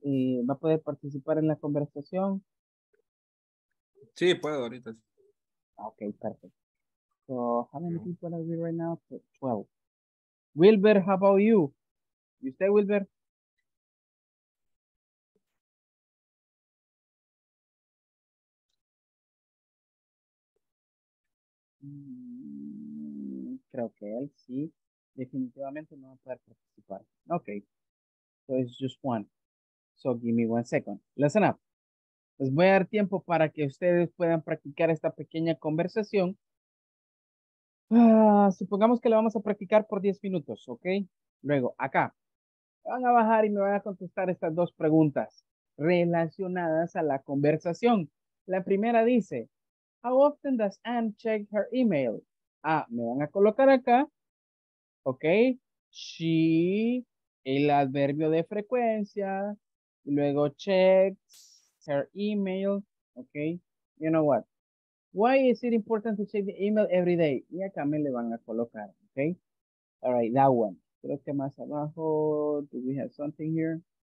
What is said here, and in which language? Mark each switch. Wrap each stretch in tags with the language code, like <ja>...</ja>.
<es>Y ¿va a poder participar en la conversación? Sí, puedo ahorita. Ok, perfecto.</es> <en>So, how many people are we right now? 12. Wilber, how about you?</en> <es>¿Y usted, Wilber? Mm-hmm. creo que él sí, definitivamente no va a poder participar.</es> <en>Okay, so it's just one. So give me one second. Listen up.</en> <es>Les voy a dar tiempo para que ustedes puedan practicar esta pequeña conversación. Supongamos que la vamos a practicar por 10 minutos, ¿ok? Luego, acá, van a bajar y me van a contestar estas dos preguntas relacionadas a la conversación. La primera dice,</es> <en>how often does Anne check her email?</en> <es>Ah, me van a colocar acá, ¿ok? She, el adverbio de frecuencia, y luego</es> <en>checks, her email,</en> <es>okay.</es> <en>You know what? Why is it important to check the email every day?</en> <es>Y acá me le van a colocar, okay.</es> <en>All right, that one.</en> <es>Creo que más abajo,</es> <en>do we have something here?</en>